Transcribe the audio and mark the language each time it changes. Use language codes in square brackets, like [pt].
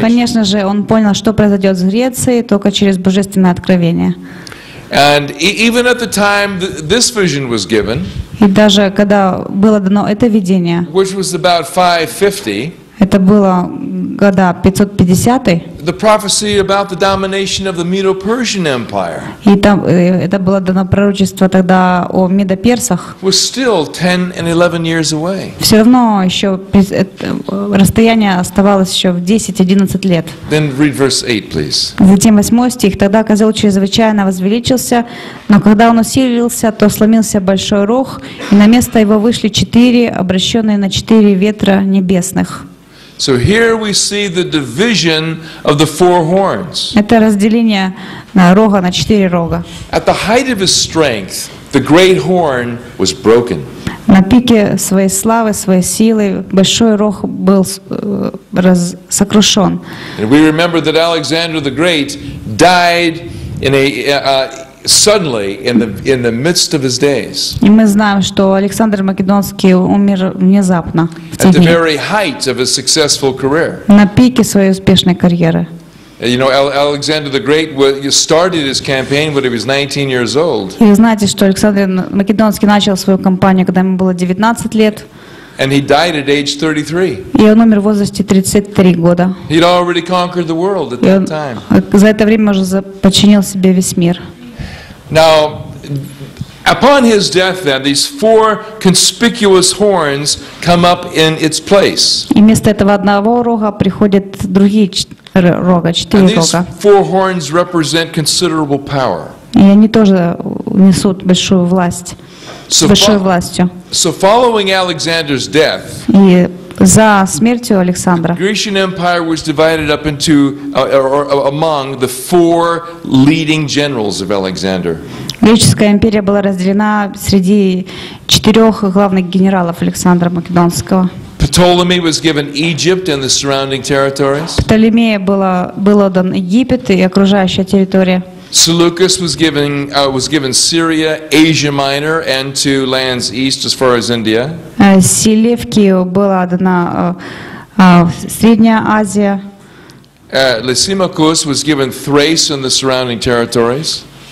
[ru] Конечно же, он понял, что произойдет с Грецией только через божественное откровение. [en] And even at the time this vision was given. [ru] И даже когда было дано это видение. [en] Which was about 550. [ru] Это было года 550. [en] The prophecy about the domination of the Medo-Persian Empire. [ru] И там это было дано пророчество тогда о Медоперсах. [en] Was still 10 and 11 years away. [ru] Все равно еще расстояние оставалось еще в 10-11 лет. [en] Then read verse 8, please. [ru] Затем 8 стих. Тогда козел чрезвычайно возвеличился, но когда он усилился, то сломился большой рог, и на место его вышли 4, обращенные на 4 ветра небесных. [en] So here we see the division of the four horns. [ru] Это разделение на рога, на 4 рога. [en] At the height of his strength, the great horn was broken. [ru] На пике своей славы, своей силы, большой рог был сокрушен. [en] And we remember that Alexander the Great died in a suddenly in the midst of his days. [ru] И мы знаем, что Александр Македонский умер внезапно. [en] At the very height of his successful career. [ru] На пике своей успешной карьеры. [en] You know, Alexander the Great started his campaign when he was 19 years old. [ru] И знаете, что Александр Македонский начал свою кампанию, когда ему было 19 лет. [en] And he died at age 33. [ru] И он умер в возрасте 33 года. [en] He'd already conquered the world at that time. [ru] За это время уже подчинил себе весь мир. [en] Now, upon his death, then these four conspicuous horns come up in its place. [ru] И вместо этого одного рога приходят другие рога, четыре рога. [en] And these four horns represent considerable power. [ru] И они тоже несут большую власть, большой властью. [en] So following Alexander's death. [ru] И за смертью Александра. [en] The Grecian Empire was divided up into or among the four leading generals of Alexander. [ru] Греческая империя была разделена среди четырех главных генералов Александра Македонского. [en] Ptolemy was given Egypt and the surrounding territories. [ru] Птолемея был отдан Египет и окружающая территория. [en] Seleucus was given Syria, Asia Minor, and two lands east as far as India. [ru] Селевкию была дана Средняя Азия. [en] Lysimachus was given Thrace and the surrounding territories.